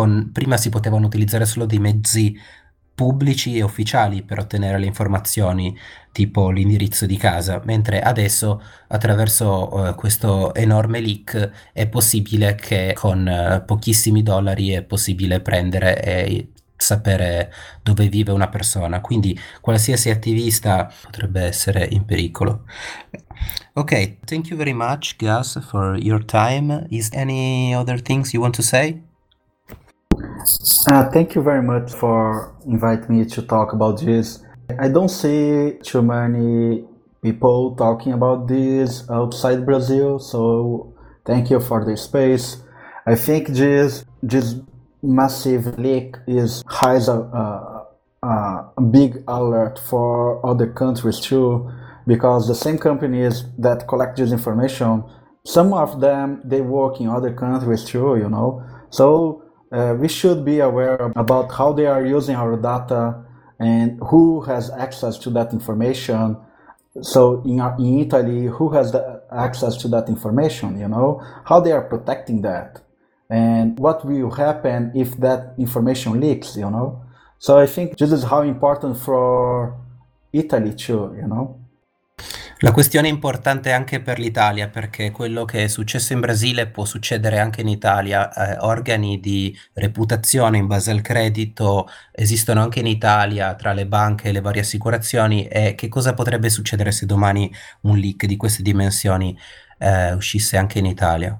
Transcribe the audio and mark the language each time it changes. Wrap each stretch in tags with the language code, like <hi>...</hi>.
<it>prima si potevano utilizzare solo dei mezzi pubblici e ufficiali per ottenere le informazioni tipo l'indirizzo di casa, mentre adesso attraverso questo enorme leak è possibile che con pochissimi dollari è possibile prendere e sapere dove vive una persona, quindi qualsiasi attivista potrebbe essere in pericolo.</it> <en>Ok, thank you very much Gus for your time. Is any other things you want to say? Thank you very much for inviting me to talk about this. I don't see too many people talking about this outside Brazil, so thank you for the space. I think this massive leak has a big alert for other countries too, because the same companies that collect this information, some of them, they work in other countries too, you know. So we should be aware about how they are using our data and who has access to that information. So in Italy, who has the access to that information, you know, how they are protecting that and what will happen if that information leaks, you know. So I think this is how important for Italy too, you know.</en> <it>La questione è importante anche per l'Italia, perché quello che è successo in Brasile può succedere anche in Italia. Organi di reputazione in base al credito esistono anche in Italia tra le banche e le varie assicurazioni. E che cosa potrebbe succedere se domani un leak di queste dimensioni uscisse anche in Italia?</it>